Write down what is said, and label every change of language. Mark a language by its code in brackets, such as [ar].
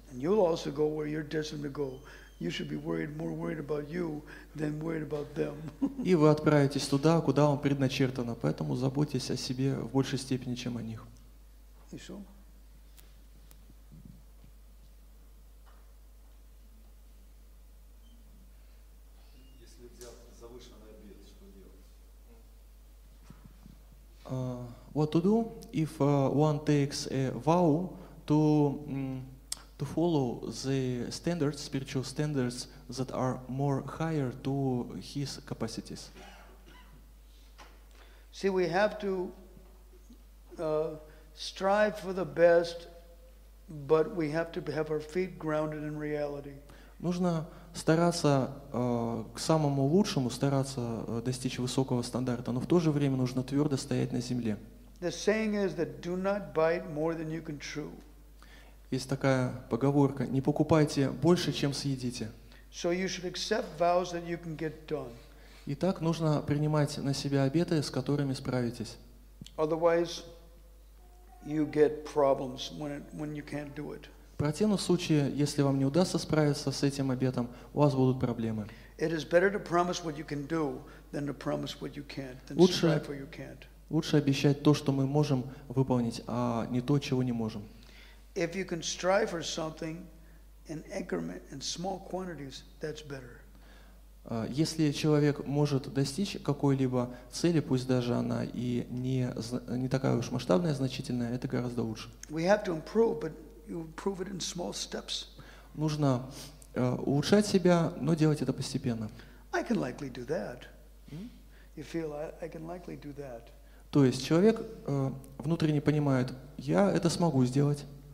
[ru] И вы отправитесь туда, куда вам предначертано, поэтому заботьтесь о себе в большей степени, чем о них. Еще? Если взять завышенный обед, что делать? [en] What to do if one takes a vow to to follow the standards, spiritual standards that are more higher to his capacities? See, we have to strive for the best, but we have to have our feet grounded in reality. [ru] Нужно стараться к самому лучшему, стараться достичь высокого стандарта, но в то же время нужно твердо стоять на земле. [en] The saying is that do not bite more than you can chew. [ru] Есть такая поговорка: не покупайте больше, чем съедите. [en] So you should accept vows that you can get done. [ru] Итак, нужно принимать на себя обеты, с которыми справитесь. [en] Otherwise, you get problems when you can't do it. [ru] В противном случае, если вам не удастся справиться с этим обетом, у вас будут проблемы. [en] It is better to promise what you can do than to promise what you can't, than to strive for you can't. [ru] Лучше обещать то, что мы можем выполнить, а не то, чего не можем. [en] If you can strive for something in increment in small quantities, that's better. [ru] Если человек может достичь какой-либо цели, пусть даже она и не такая уж масштабная, значительная, это гораздо лучше. [en] We have to improve, but you improve it in small steps. [ru] Нужно улучшать себя, но делать это постепенно. [en] I can likely do that. You feel I can likely do that. [ru] То есть человек внутренне понимает, я это смогу сделать.